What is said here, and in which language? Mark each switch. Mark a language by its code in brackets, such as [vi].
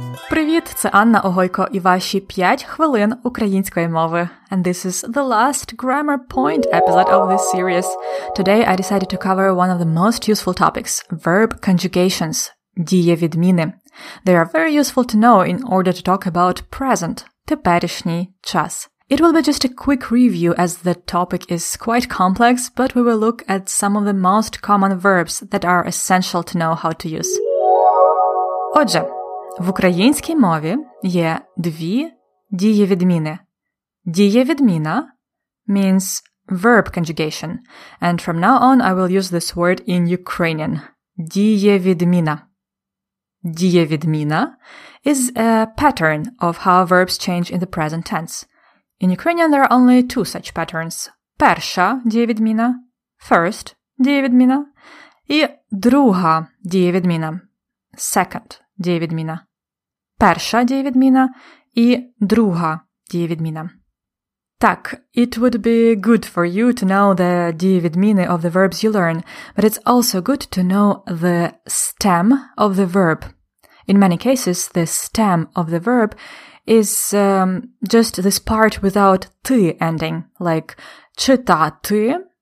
[uk] Привіт, це Анна Огойко і ваші 5 хвилин української мови. [en] And this is the last grammar point episode of this series. Today I decided to cover one of the most useful topics, verb conjugations, дієвідміни. They are very useful to know in order to talk about present, [uk] теперішній час. [en] It will be just a quick review as the topic is quite complex, but we will look at some of the most common verbs that are essential to know how to use. [uk] Отже, в українській мові є дві дієвідміни. [en] Дієвідміна means verb conjugation, and from now on I will use this word in Ukrainian. Дієвідміна. Дієвідміна is a pattern of how verbs change in the present tense. In Ukrainian, there are only two such patterns. [uk] Перша дієвідміна, first дієвідміна, і друга дієвідміна, second дієвідміна. Перша дієвідміна і друга дієвідміна. [en] Так, it would be good for you to know the дієвідміни of the verbs you learn, but it's also good to know the stem of the verb. In many cases, the stem of the verb is just this part without ty ending, like читати.